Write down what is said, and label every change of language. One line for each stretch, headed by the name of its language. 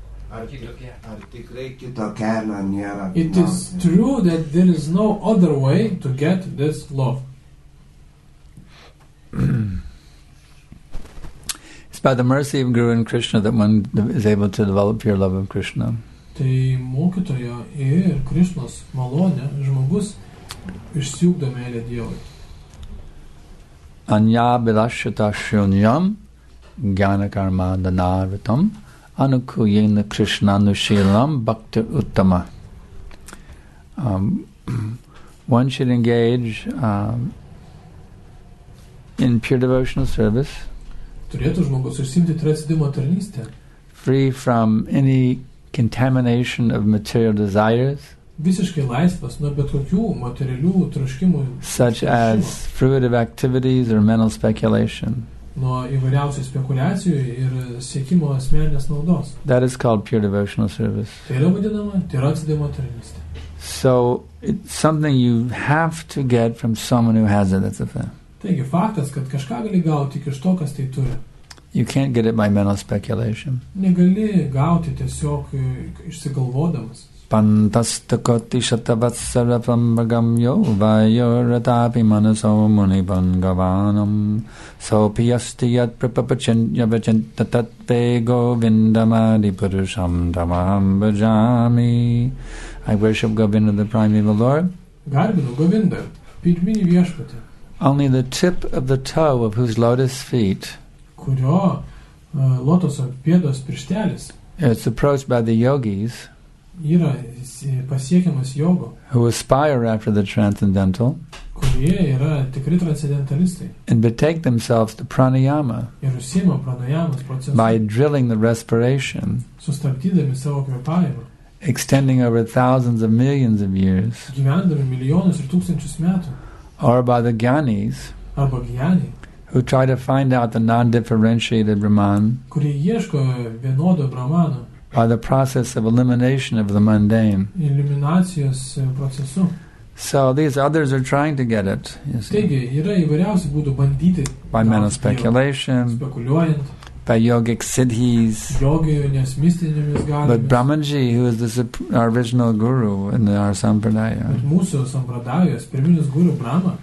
English: It is true that there is no other way to get this love. It's by the mercy of Guru and Krishna that one is able to develop pure love of Krishna.
Lithuanian: Tai mokytojo ir Krishnos malonė žmogus išsiugdo meilę Dievui.
Sanskrit: Anya bilashita shunyam gyana karma danavitam anukuyena Krishna nushilam bhakti uttama.
English: One should engage in pure devotional service.
Lithuanian: Turėtų žmogus užsiimti transcendentinę tarnystę.
English: Free from any contamination of material desires.
Lithuanian: Visiškai laisvas nuo bet kokių materialių troškimų.
English: Such as fruitive activities or mental speculation.
Lithuanian: Nuo įvairiausių spekuliacijų ir siekimo asmeninės naudos.
English: That is called pure devotional service.
Lithuanian: Tai yra vadinama transcendentinė tarnystė.
English: So it's something you have to get from someone who has it, that's a fact.
Lithuanian: Taigi faktas, kad kažką gali gauti iš to, kas tai turi.
English: You can't get it by mental speculation.
Lithuanian: Negali gauti tiesiog išsigalvodamas.
Sanskrit: Pantastako tishata vatsara prambagam yo vayoratapi manaso muni bangavanam so piyasti yad prapapachanya vachanta tatte govindamadi purusham tamaham bhajami.
English: I worship Govinda, the primeval Lord.
Lithuanian: Garbinu Govinda, pirmini viešpatį.
English: Only the tip of the toe of whose lotus feet
Lithuanian: kurio lotoso pėdos pirštelis
English: is approached by the yogis
Lithuanian: yra pasiekiamas jogo
English: who aspire after the transcendental
Lithuanian: kurie yra tikri transcendentalistai
English: and betake themselves to pranayama
Lithuanian: ir užsiima pranayamos procesu
English: by drilling the respiration
Lithuanian: sustabdydami savo kvėpavimą
English: extending over thousands of millions of years
Lithuanian: gyvendami milijonus ir tūkstančius metų.
English: Or by the gyanis,
Lithuanian: arba gyani,
English: who try to find out the non-differentiated Brahman,
Lithuanian: kurie ieško vienodo Brahmano,
English: by the process of elimination of the mundane.
Lithuanian: Eliminacijos procesu.
English: So these others are trying to get it.
Lithuanian: Taigi, yra įvairiausių būdų bandyti.
English: By mental speculation,
Lithuanian: spekuliuojant,
English: by yogic siddhis,
Lithuanian: yoginės mistinėmis galimis.
English: But Brahmanji, who is this, our original guru in our Sampradaya,
Lithuanian: mūsų Sampradajos, pirminis guru Brahma,